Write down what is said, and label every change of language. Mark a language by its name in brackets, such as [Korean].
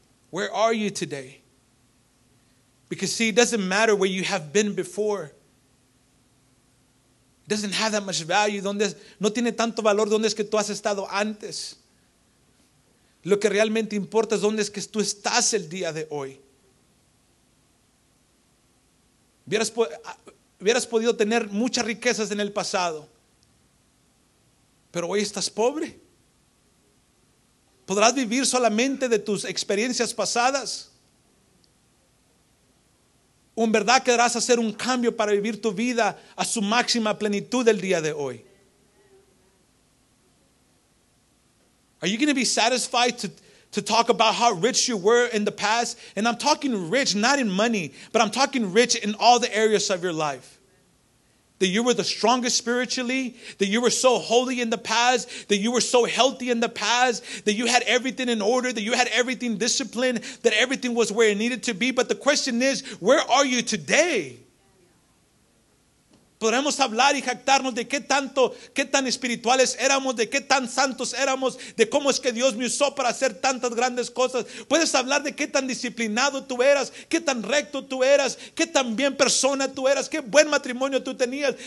[English] Where are you today? Because see, it doesn't matter where you have been before. It doesn't have that much value. [Spanish] ¿Dónde es? No tiene tanto valor dónde es que tú has estado antes. Lo que realmente importa es dónde es que tú estás el día de hoy. Hubieras podido tener muchas riquezas en el pasado, pero hoy estás pobre. ¿Podrás vivir solamente de tus experiencias pasadas? ¿O en verdad querrás hacer un cambio para vivir tu vida a su máxima plenitud el día de hoy? [English] Are you going to be satisfied to talk about how rich you were in the past? And I'm talking rich, not in money, but I'm talking rich in all the areas of your life. That you were the strongest spiritually, that you were so holy in the past, that you were so healthy in the past, that you had everything in order, that you had everything disciplined, that everything was where it needed to be. But the question is, where are you today? [Spanish] Podremos hablar y jactarnos de qué tan espirituales éramos, de qué tan santos éramos, de cómo es que Dios me usó para hacer tantas grandes cosas. Puedes hablar de qué tan disciplinado tú eras, qué tan recto tú eras, qué tan bien persona tú eras, qué buen matrimonio tú tenías.